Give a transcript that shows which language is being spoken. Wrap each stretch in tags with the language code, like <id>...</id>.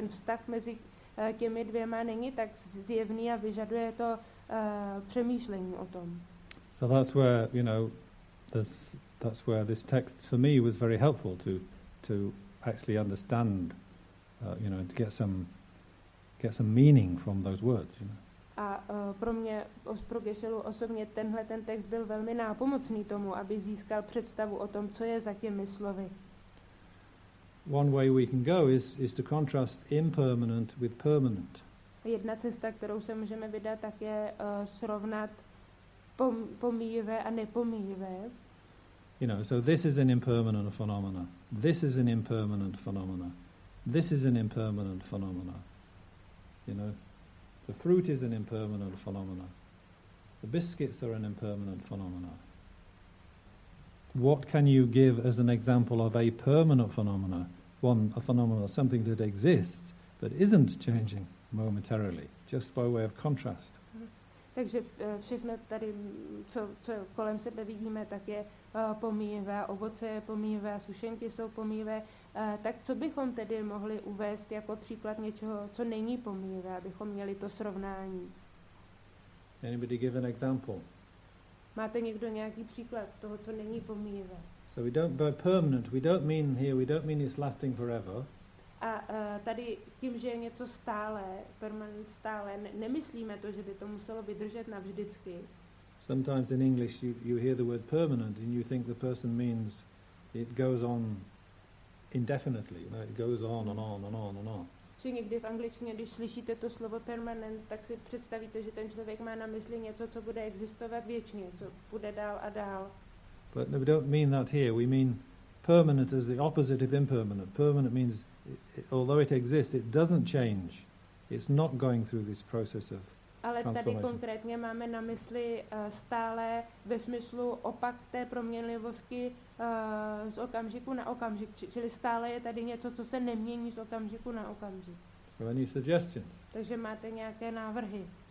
<cs>Ten vztah mezi těmi dvěma není tak zjevný a vyžaduje to přemýšlení o tom.</cs> <en>So that's where, you know, that's where this text for me was very helpful to actually understand, you know, to get some meaning from those words, you know.</en> <cs>A pro mě, pro Geshelu osobně, tenhle ten text byl velmi nápomocný tomu, aby získal představu o tom, co je za těmi slovy.</cs> <en>One way we can go is to contrast impermanent with permanent.</en> <cs>Jedna cesta, kterou se můžeme vydat, tak je srovnat pomíjivé a nepomíjivé.</cs> <en>You know, so this is an impermanent phenomena. This is an impermanent phenomena. This is an impermanent phenomena. You know. The fruit is an impermanent phenomena. The biscuits are an impermanent phenomena. What can you give as an example of a permanent phenomena? One, a phenomena, something that exists, but isn't changing momentarily, just by way of contrast.</en> <cs>Takže všechno tady, co kolem sebe vidíme, tak je pomíjivé. Ovoce je pomíjivé, sušenky jsou pomíjivé. Tak co bychom tedy mohli uvést jako příklad něčeho, co není pomíjivé, abychom měli to srovnání?</cs> <en>Anybody give an example?</en> <cs>Máte někdo nějaký příklad toho, co není pomíjivé?</cs> <en>So we don't by permanent, we don't mean here, we don't mean it's lasting forever.</en> <cs>A tady tím, že je něco stále, permanent stále, nemyslíme to, že by to muselo vydržet navždycky.</cs> <en>Sometimes in English you hear the word permanent and you think the person means it goes on indefinitely, you know, it goes on and on and on and on.</en> <cs>Že někdy v angličtině, když slyšíte to slovo permanent, tak si představíte, že ten člověk má na mysli něco, co bude existovat věčně, co bude dál a dál.</cs> <en>But no, we don't mean that here. We mean permanent as the opposite of impermanent. Permanent means although it exists, it doesn't change. It's not going through this process of transformation.</en> <cs>Ale tady konkrétně máme na mysli stále ve smyslu opak té proměnlivosti z okamžiku na okamžik. Čili stále je tady něco, co se nemění z okamžiku na okamžik.</cs> <en>So any suggestions?</en> <cs>Takže máte nějaké návrhy?</cs>